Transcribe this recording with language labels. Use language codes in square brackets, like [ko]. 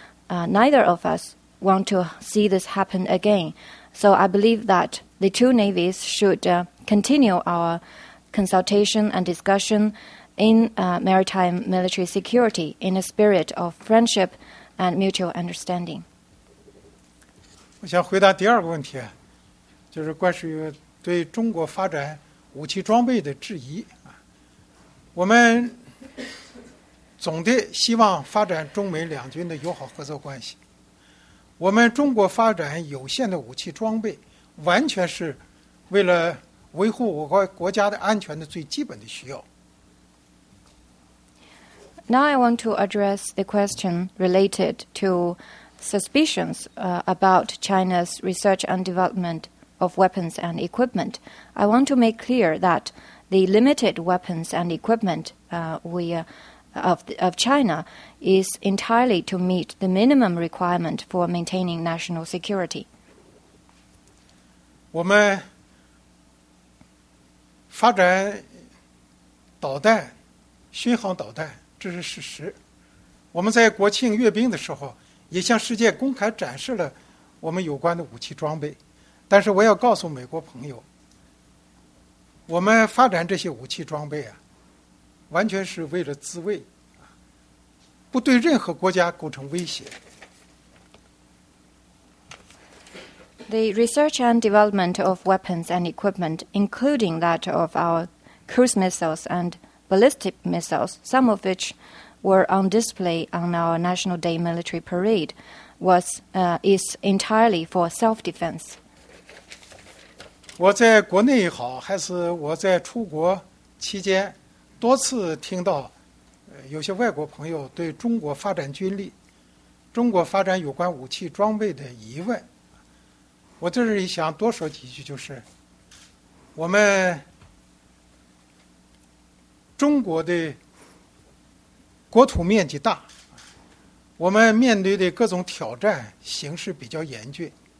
[en] Neither of us want to see this happen again. So I believe that the two navies should continue our consultation and discussion in maritime military security in a spirit of friendship and mutual understanding. [zh] 我想回答第二个问题，就是关于对中国发展武器装备的质疑。我们总的希望发展中美两军的友好合作关系。我们中国发展有限的武器装备，完全是为了维护我国国家的安全的最基本的需要。 [en] Now I want to address the question related to suspicions about China's research and development of weapons and equipment. I want to make clear that the limited weapons and equipment of China is entirely to meet the minimum requirement for maintaining national security. [zh] 我们发展导弹、巡航导弹，这是事实。我们在国庆阅兵的时候也向世界公开展示了我们有关的武器装备，但是我要告诉美国朋友，我们发展这些武器装备啊，完全是为了自卫，不对任何国家构成威胁。 [en] The research and development of weapons and equipment, including that of our cruise missiles and ballistic missiles, some of which were on display on our National Day military parade, is entirely for self-defense. [zh] 我在国内也好，还是我在出国期间，多次听到有些外国朋友对中国发展军力、中国发展有关武器装备的疑问。我这里想多说几句，就是我们中国的国土面积大，我们面对的各种挑战形势比较严峻。